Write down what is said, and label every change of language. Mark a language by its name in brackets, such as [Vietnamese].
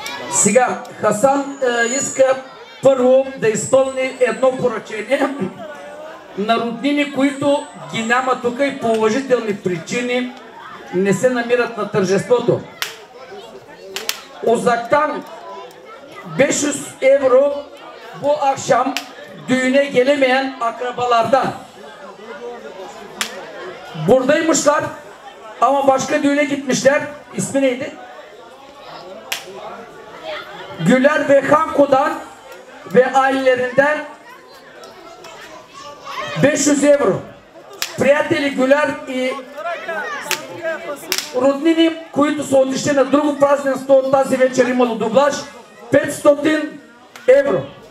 [Bulgarian] Сега Хасан иска първо да изпълни едно поръчение на роднини, които ги няма тук и по уважителни причини не се намират на тържеството. [Turkish] Uzaktan 500 euro bu akşam düğüne gelemeyen akrabalardan. Buradaymışlar ama başka düğüne gitmişler. İsmi neydi? Güler ve Hanko'dan ve ailelerinden 500 euro. [Bulgarian] Prijatelji Güler i роднини, които са отишли на друго празненство, тази вечер имало дублаж, 500 евро.